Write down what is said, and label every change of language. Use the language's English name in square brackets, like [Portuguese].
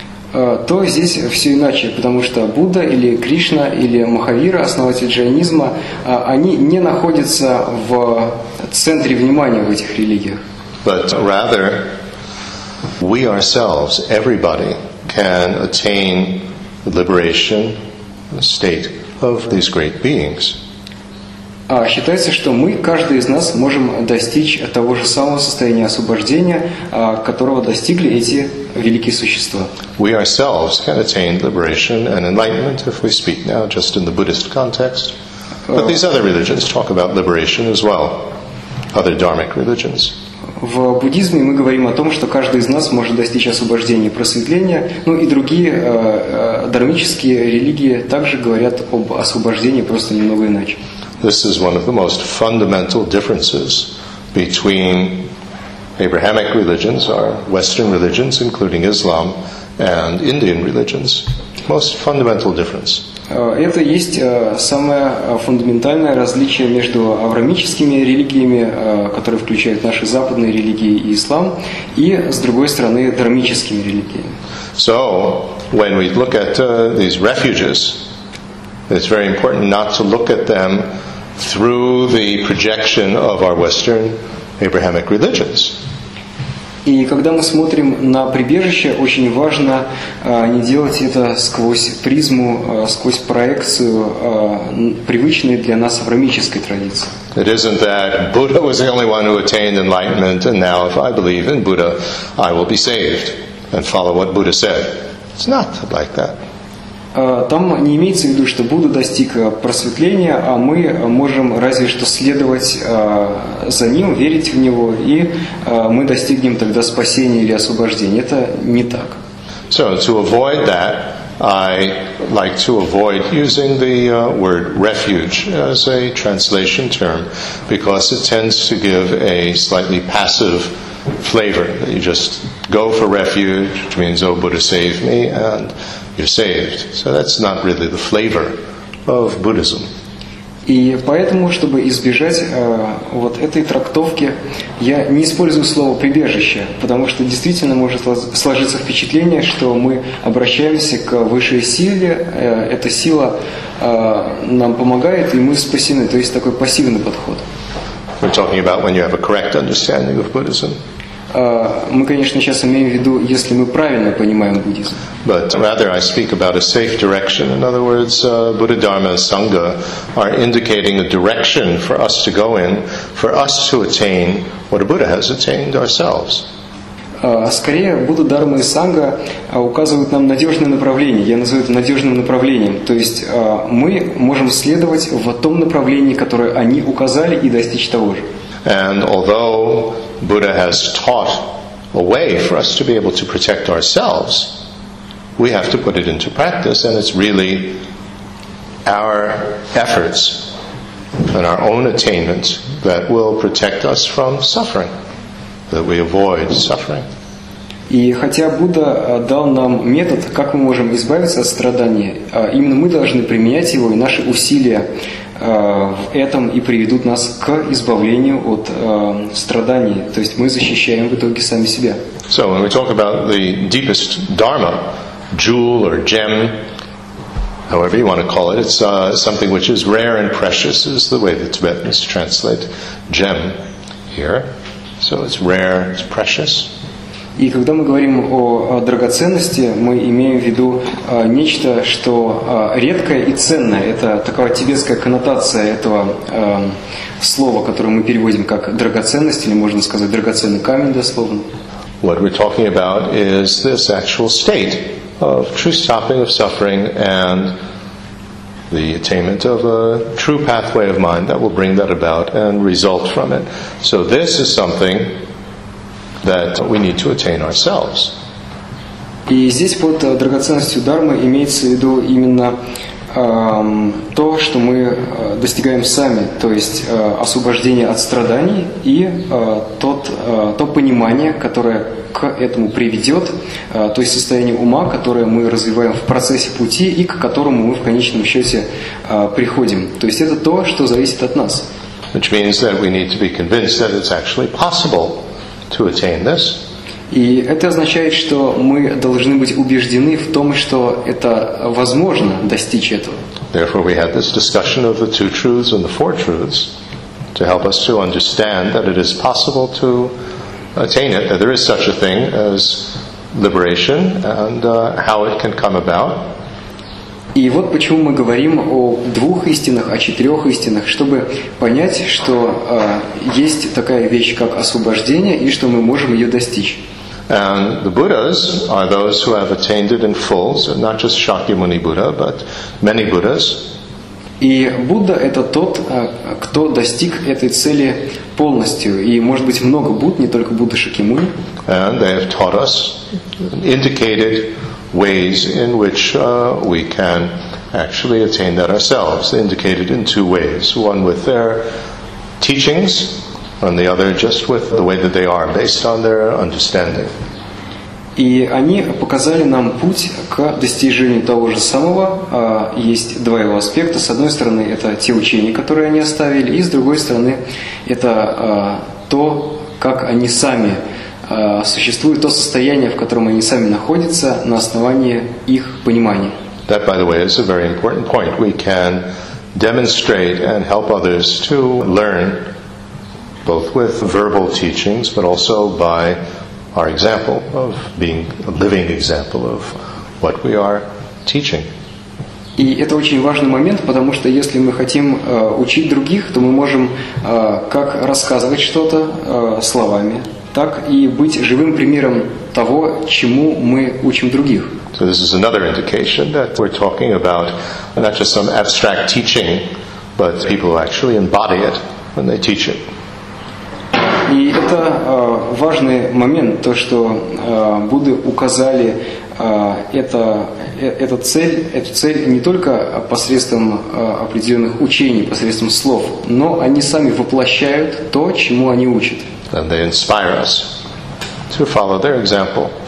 [Russian] То здесь все иначе, потому что Будда или Кришна или Махавира, основатель джайнизма, они не находятся в центре внимания в этих религиях. [English] But rather, we ourselves, everybody, can attain liberation, the state of these great beings. [Russian] Считается, что мы, каждый из нас, можем достичь того же самого состояния освобождения, которого достигли эти великие существа. [English] We ourselves can attain liberation and enlightenment if we speak now just in the Buddhist context. But these other religions talk about liberation as well, other dharmic religions. [Russian] В буддизме мы говорим о том, что каждый из нас может достичь освобождения и просветления, ну и другие дармические религии также говорят об освобождении просто немного иначе. [English] This is one of the most fundamental differences between Abrahamic religions, or Western religions, including Islam, and Indian religions. Most fundamental difference. [Russian] Это есть самое фундаментальное различие между авраамическими религиями, которые включают наши западные религии и ислам, и, с другой стороны, дармическими религиями. [English] So, when we look at these refuges, it's very important not to look at them through the projection of our Western Abrahamic religions. [Russian] И когда мы смотрим на прибежище, очень важно не делать это сквозь призму, сквозь проекцию привычной для нас авраамической традиции. [English] It isn't that Buddha was the only one who attained enlightenment, and now if I believe in Buddha, I will be saved and follow what Buddha said. It's not like that. [Russian] Там не имеется в виду, что Будда достиг просветления, а мы можем разве что следовать за ним, верить в него, и мы достигнем тогда спасения или освобождения. Это не так. [English] So, to avoid that, I like to avoid using the word refuge as a translation term, because it tends to give a slightly passive flavor. You just go for refuge, which means, oh, Buddha, save me, and you're saved. So that's not really the flavor of Buddhism. [Russian] И поэтому, чтобы избежать вот этой трактовки, я не использую слово «прибежище», потому что действительно может сложиться впечатление, что мы обращаемся к высшей силе, эта сила нам помогает, и мы спасены. То есть такой пассивный подход. [English] We're talking about when you have a correct understanding of Buddhism. [Russian] Мы, конечно, сейчас имеем в виду, если мы правильно понимаем буддизм. [English] But rather I speak about a safe direction. In other words, Buddha, Dharma, Sangha are indicating a direction for us to go in, for us to attain what a Buddha has attained ourselves. [Russian] Скорее, Будда, Дарма и Санга указывают нам надежное направление. Я называю это надежным направлением. То есть мы можем следовать в том направлении, которое они указали, и достичь того же. [English] And although Buddha has taught a way for us to be able to protect ourselves, we have to put it into practice, and it's really our efforts and our own attainment that will protect us from suffering, that we avoid suffering. [Russian] И хотя Будда дал нам метод, как мы можем избавиться от страдания, именно мы должны применять его, и наши усилия в этом и приведут нас к избавлению от страданий. То есть мы защищаем в итоге сами себя. [English] So when we talk about the deepest dharma, jewel or gem, however you want to call it, it's something which is rare and precious, is the way the Tibetans translate gem here. So it's rare, it's precious. [Russian] И когда мы говорим о драгоценности, мы имеем в виду нечто, что редкое и ценное. Это такая тибетская коннотация этого слова, которое мы переводим как драгоценность, или можно сказать драгоценный камень, дословно. [English] What we're talking about is this actual state of true stopping of suffering and the attainment of a true pathway of mind that will bring that about and result from it. So this is something that we need to attain ourselves. [Russian] И здесь под драгоценностью дхармы имеется в виду именно то, что мы достигаем сами, то есть освобождение от страданий и то понимание, которое к этому приведет, то есть состояние ума, которое мы развиваем в процессе пути и к которому мы в конечном счете приходим. То есть это то, что зависит от нас. [English] Which means that we need to be convinced that it's actually possible to attain this. [Russian] И это означает, что мы должны быть убеждены в том, что это возможно достичь этого. [English] Therefore, we had this discussion of the two truths and the four truths to help us to understand that it is possible to attain it, that there is such a thing as liberation and how it can come about. [Russian] И вот почему мы говорим о двух истинах, о четырех истинах, чтобы понять, что есть такая вещь, как освобождение, и что мы можем ее достичь. [English] And the Buddhas are those who have attained it in full, so not just Shakyamuni Buddha, but many Buddhas. [Russian] И Будда — это тот, кто достиг этой цели полностью. И может быть много Будд, не только Будда Шакьямуни. [English] And they have taught us, indicated ways in which we can actually attain that ourselves, indicated in two ways, one with their teachings and the other just with the way that they are based on their understanding. [Russian] И они показали нам путь к достижению того же самого. Есть два его аспекта. С одной стороны, это те учения, которые они оставили, и с другой стороны, это то, как они сами существует то состояние, в котором они сами находятся, на основании их понимания. [English] That, by the way, is a very important point. We can demonstrate and help others to learn both with verbal teachings, but also by our example of being a living example of what we are teaching. [Russian] И это очень важный момент, потому что если мы хотим учить других, то мы можем как рассказывать что-то словами, так и быть живым примером того, чему мы учим других. [English] So this is another indication that we're talking about not just some abstract teaching, but people who actually embody it when they teach it. [Russian] И это важный момент, то, что Будды указали эту цель не только посредством определенных учений, посредством слов, но они сами воплощают то, чему они учат. [English] And they inspire us to follow their example.